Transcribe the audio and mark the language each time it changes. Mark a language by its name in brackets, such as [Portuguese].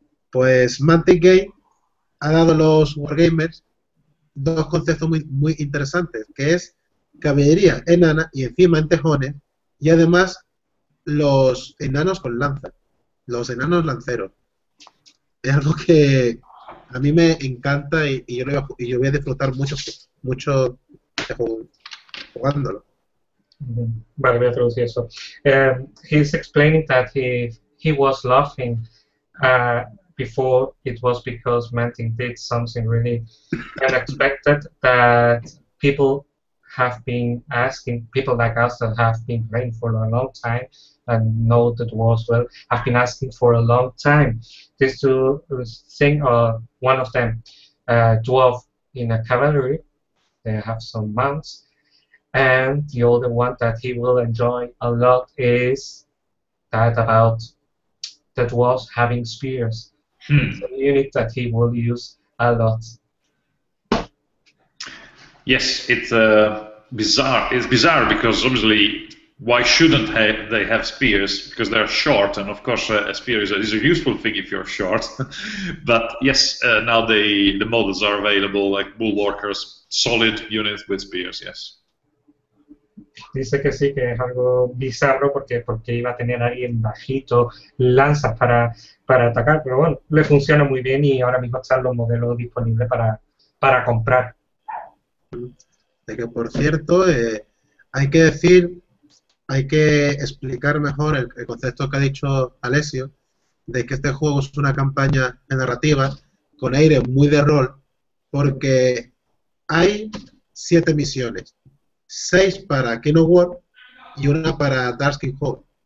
[Spanish] Pues Mantic Game ha dado a los wargamers dos conceptos muy, muy interesantes, que es caballería enana y encima en tejones, y además los enanos con lanza, los enanos lanceros. Es algo que a mí me encanta y yo voy a disfrutar mucho jugándolo. Vale, voy a traducir eso. [English] He's explaining that he was laughing before it was because Manting did something really unexpected that people have been asking, people like us that have been playing for a long time and know the dwarves well, have been asking for a long time. This two thing, or one of them, dwarf in a cavalry, they have some mounts, and the other one that he will enjoy a lot is that about the dwarves having spears. It's a unit that he will use a lot. Yes, it's bizarre. It's bizarre because obviously, why shouldn't they have spears? Because they're short, and of course, a spear is a useful thing if you're short. But yes, now the models are available, like bulwarkers, solid units with spears. Yes. [Spanish] Dice que sí, que es algo bizarro porque iba a tener alguien bajito, lanzas para atacar, pero bueno, le funciona muy bien y ahora mismo están los modelos disponibles para comprar. De que, por cierto, hay que decir, hay que explicar mejor el concepto que ha dicho Alessio, de que este juego es una campaña narrativa con aire muy de rol, porque hay 7 misiones, 6 para King of War y una para Dark King Hall.